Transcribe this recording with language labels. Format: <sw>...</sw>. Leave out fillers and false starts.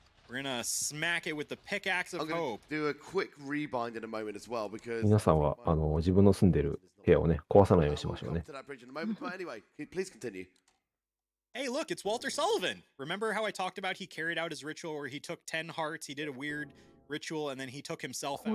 <en>We're gonna smack it with the pickaxe of hope. Do a quick rebind in a moment as well, because</en> <ja>皆さんは自分の住んでる部屋をね壊さないようにしましょうね。</ja> <en>Anyway, please continue. Hey, look, it's Walter Sullivan. Remember how I talked about he carried out his ritual where he took 10 hearts, he did a weird ritual, and then he took himself out.</en>